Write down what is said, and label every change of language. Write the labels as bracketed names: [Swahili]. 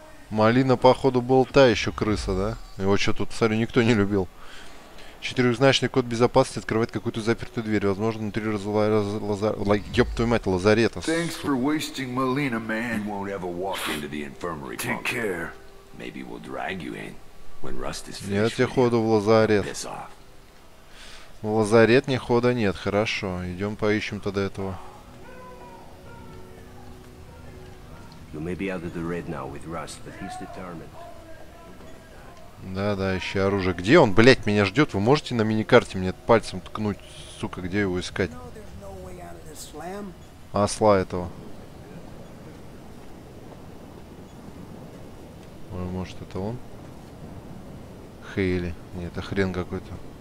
[Russian] Малина, походу, был та еще крыса, да? Его что тут, смотри, никто не любил. Четырехзначный код безопасности открывает какую-то запертую дверь. Возможно, внутри ёб твою мать, лазарета. [English] Thanks for wasting Molina, man. You won't ever walk into the infirmary. Take care. Maybe we'll drag you in when Rust is finished. [Russian] Нет, я ходу в лазарет. В лазарет ни хода нет. Хорошо, идем поищем тогда этого. [English] You may be out of the red now with Rust, but he's determined. [Russian] Да-да, еще оружие. Где он, блять, меня ждет? Вы можете на миникарте мне пальцем ткнуть, сука, где его искать? Осла этого. Ой, может, это он? Хейли. Нет, это хрен какой-то.